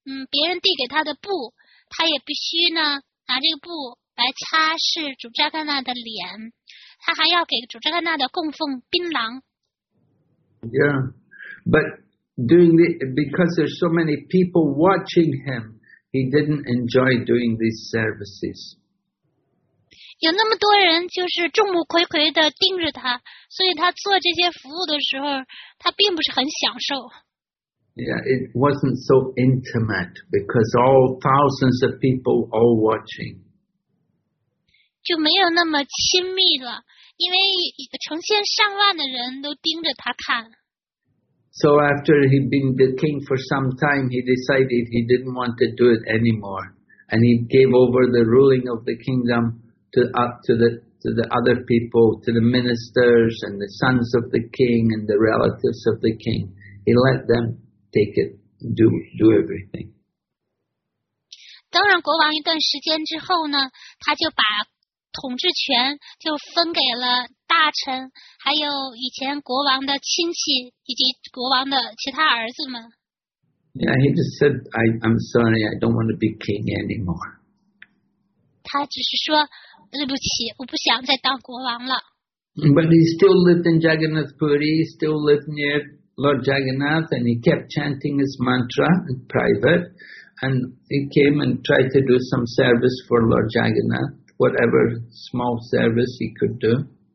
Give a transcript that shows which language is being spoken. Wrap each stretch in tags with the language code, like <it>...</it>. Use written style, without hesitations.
<zh>别人递给他的布，他也必须呢拿这个布来擦拭主扎干纳的脸。他还要给主扎干纳的供奉槟榔。</zh> <en>Yeah, but doing the because there's so many people watching him, he didn't enjoy doing these services.</en> <zh>有那么多人就是众目睽睽地盯着他，所以他做这些服务的时候，他并不是很享受。</zh> <en>Yeah, it wasn't so intimate because all thousands of people all watching.</en> <zh>就没有那么亲密了，因为成千上万的人都盯着他看。</zh> <en>So after he'd been the king for some time, he decided he didn't want to do it anymore, and he gave over the ruling of the kingdom. To the other people, to the ministers and the sons of the king and the relatives of the king. He let them take it, do everything.</en> <zh>当然国王一段时间之后呢，他就把统治权就分给了大臣，还有以前国王的亲戚以及国王的其他儿子们。</zh> <en>Yeah, he just said, I'm sorry, I don't want to be king anymore.</en> <zh>他只是说对不起，我不想再当国王了。</zh> <en>But he still lived in Jagannath Puri, still lived near Lord Jagannath, and he kept chanting his mantra in private. And he came and tried to do some service for Lord Jagannath, whatever small service he could do.</en>